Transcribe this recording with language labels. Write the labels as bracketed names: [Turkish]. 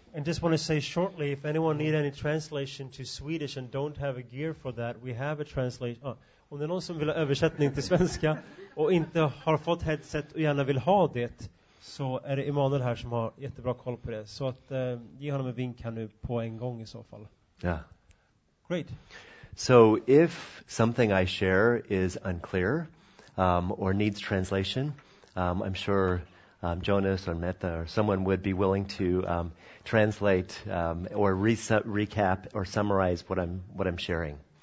[English] And just want to say shortly, if anyone need any translation to Swedish and don't have a gear for that, we have a translation. [Swedish] Om det är någon som vill ha översättning till svenska och inte har fått headset och gärna vill ha det, så är det Emanuel här som har jättebra koll på det. Så att ge honom en vink här nu på en gång i så fall. [English] Yeah. Great. So if something I share is unclear or needs translation, I'm sure Jonas or Meta or someone would be willing to translate or recap or summarize what I'm sharing.